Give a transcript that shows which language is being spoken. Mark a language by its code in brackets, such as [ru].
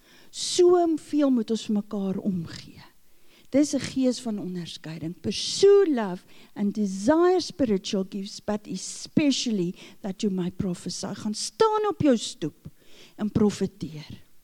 [af] Soveel moet ons mekaar omgee. Dis 'n gees van onderskeiding. [en] Pursue love and desire spiritual gifts, but especially that you might prophesy. [af] Gaan staan op jou stoep en profeteer.